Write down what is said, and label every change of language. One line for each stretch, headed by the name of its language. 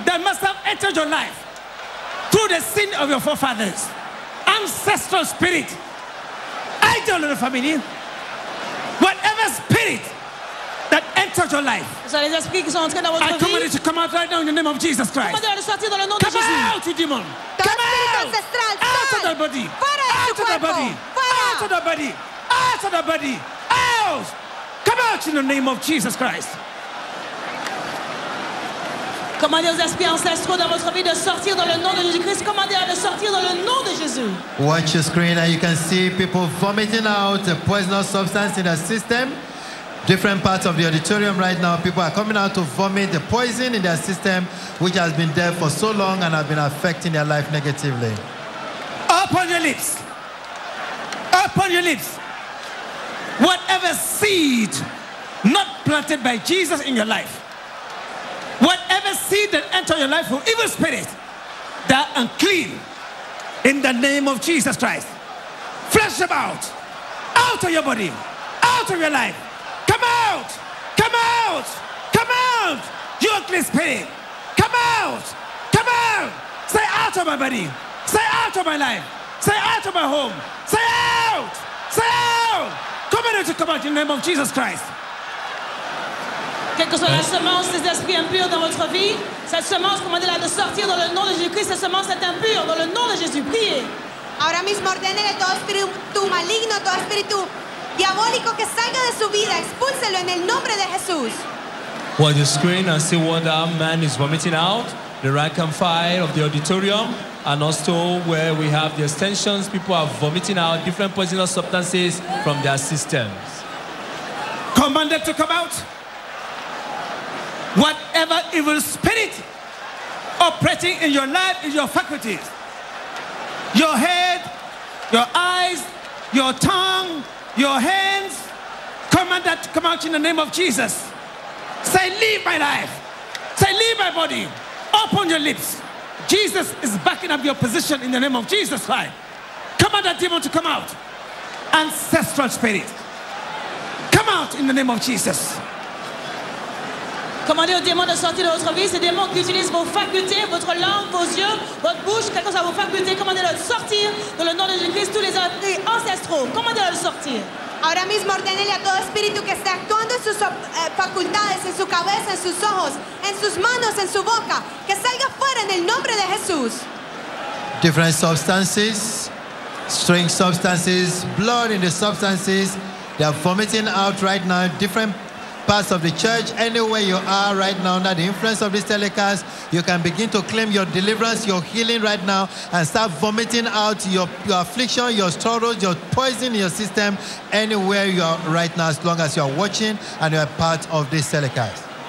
English: that must have entered your life through the sin of your forefathers, ancestral spirit, idol of the family, whatever spirit that entered your life, I command it to come out right now in the name of Jesus Christ. Come out, you demon. Come out. Out of the body. Out of the body. Out of the body. Out of the body. Out. Come out in the name of Jesus Christ.
French: Commandez aux esprits ancestraux dans votre vie de sortir dans le nom de Jésus-Christ. Commandez-les de sortir dans le nom de Jésus.
English: Watch your screen and you can see people vomiting out a poisonous substance in their system. Different parts of the auditorium right now, people are coming out to vomit the poison in their system, which has been there for so long and have been affecting their life negatively. Open your lips. Open your lips. Whatever seed not planted by Jesus in your life, whatever seed that enter your life from evil spirit, that unclean, in the name of Jesus Christ, flush them out, out of your body, out of your life. Come out, come out, come out, you unclean spirit. Come out, come out. Stay out of my body. Stay out of my life. Stay out of my home. Stay out. Stay out. Come Somebody to come out in the name of Jesus Christ.
French: Quelle que soit la semence des esprits impurs dans votre vie, cette semence, commandez-la de sortir dans le nom de Jésus-Christ. Cette semence est impure dans le nom de Jésus. Priez.
Spanish: Ahora mismo ordenele todo espíritu maligno, todo espíritu diabólico que salga de su vida. Expúlselo en el nombre de Jesús.
English: On the screen, I see what our man is vomiting out. The rank and file of the auditorium, and also where we have the extensions, people are vomiting out different poisonous substances from their systems. Commanded to come out. Whatever evil spirit operating in your life, in your faculties, your head, your eyes, your tongue, your hands, command that to come out in the name of Jesus. Say, leave my life. Say, leave my body. Open your lips. Jesus is backing up your position in the name of Jesus Christ. Command that demon to come out. Ancestral spirit, come out in the name of Jesus.
French: Commandez aux démons de sortir de votre vie. Ces démons qui utilisent vos facultés, votre langue, vos yeux, votre bouche, quelque chose à vos facultés, commandez-le de sortir dans le nom de Jésus-Christ. Tous les esprits ancestraux, commandez-le de sortir.
Spanish: Ahora mismo ordenele a todo espíritu que esté actuando en sus facultades, en su cabeza, en sus ojos, en sus manos, en su boca, que salga fuera en el nombre de Jesús.
English: Different substances, strange substances, blood in the substances, they are vomiting out right now. Different parts of the church, anywhere you are right now under the influence of this telecast, you can begin to claim your deliverance, your healing right now, and start vomiting out your affliction, your struggles, your poison in your system, anywhere you are right now, as long as you are watching and you are part of this telecast.